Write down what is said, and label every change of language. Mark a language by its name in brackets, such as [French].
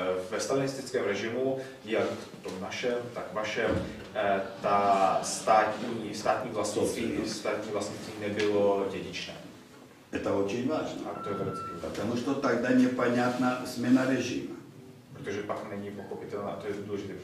[Czech] Ve stalinistickém režimu, jak v tom našem, tak vašem, ta státní vlastnictví nebylo dědičné. [Russian] Это очень важно. [Czech] A to je velice důležité. [Russian] Потому что тогда непонятна смена режима. [Czech] Protože pak není pochopitelná, to je důležité.